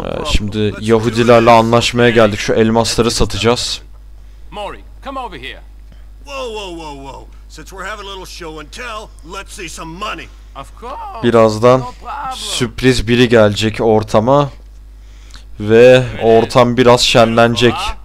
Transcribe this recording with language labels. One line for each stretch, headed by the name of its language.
Turkish: Şimdi Yahudilerle anlaşmaya geldik. Şu elmasları satacağız.
English: Maury, come over here. Whoa. Since we're having a little show and tell, let's see some money. Of course.
Turkish: Birazdan sürpriz biri gelecek ortama ve ortam biraz şenlenecek.